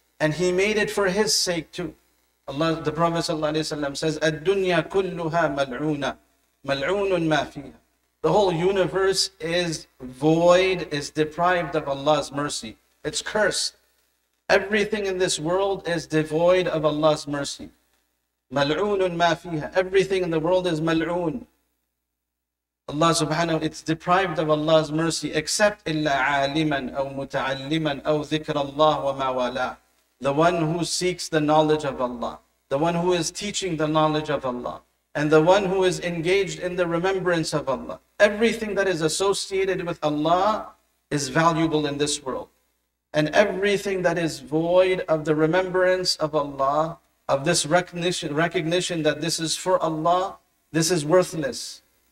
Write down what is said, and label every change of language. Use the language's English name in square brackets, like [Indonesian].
[English] And He made it for His sake too. Allah, the Prophet sallallahu alayhi wa sallam says, [Arabic] الدُّنْيَا كُلُّهَا مَلْعُونَ مَلْعُونٌ مَا فِيهَا. [English] The whole universe is void, is deprived of Allah's mercy. It's cursed. Everything in this world is devoid of Allah's mercy. [Arabic] مَلْعُونٌ مَا فِيهَا. [English] Everything in the world is مَلْعُون. Allah subhanahu, it's deprived of Allah's mercy, except [Arabic] إِلَّا عَالِمًا أَوْ مُتَعَلِّمًا أَوْ ذِكْرَ اللَّهُ وَمَا وَلَا. [English] The one who seeks the knowledge of Allah. The one who is teaching the knowledge of Allah. And the one who is engaged in the remembrance of Allah. Everything that is associated with Allah is valuable in this world. And everything that is void of the remembrance of Allah, of this recognition that this is for Allah, this is worthless.